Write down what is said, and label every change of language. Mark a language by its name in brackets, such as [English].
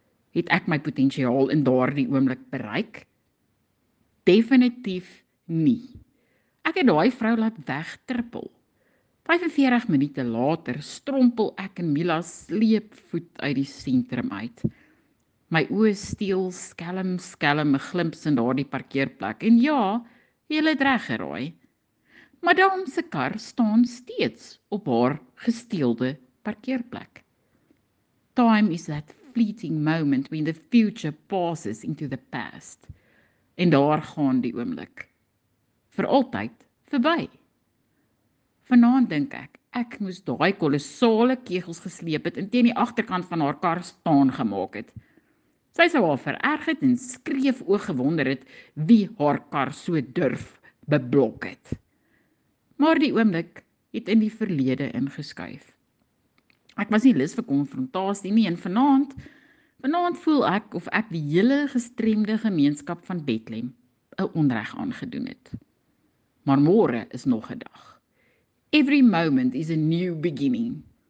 [Afrikaans] Het ek my potensiaal in daardie oomblik bereik? Definitief nie. Ek het daai vrou laat wegtrippel. 45 minute later strompel ek en Mila sleepvoet uit die sentrum uit. My oë steel skelm 'n glimps in daardie parkeerplek. En ja, jy het reg geraai. Madame se kar staan steeds op haar gesteelde parkeerplek. [English] Time is that fleeting moment when the future passes into the past. [Afrikaans] En daar gaan die oomblik. Vir altyd verby. Vanaand dink ek, ek moes daai kolossale kegels gesleep het en teen die agterkant van haar kar staan gemaak het. Sy sou haar vererg het en skreef oog gewonder het wie haar kar so durf beblok het. Maar die oomblik het in die verlede ingeskuif. Ek was nie lus vir konfrontasie nie en vanaand voel ek of ek die hele gestremde gemeenskap van Bethlehem 'n onreg aangedoen het. Maar môre is nog 'n dag. [English] Every moment is a new beginning.